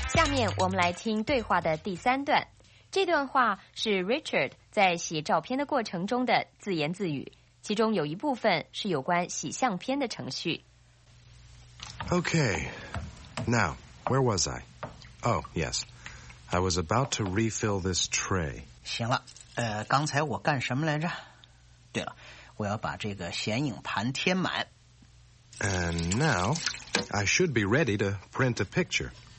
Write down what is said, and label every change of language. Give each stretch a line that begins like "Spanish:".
Chinese: 面我们来听对话的第三段。这段话是 Richard 在洗照片的过程中的自言自语，其中有一部分是有关洗相片的程序。
English: Okay, now, where was I? Oh, yes, I was about to refill this tray.
Chinese: 行了，刚才我干什么来着？对了，我要把这个显影盘填满。
English: And now, I should be ready to print a picture.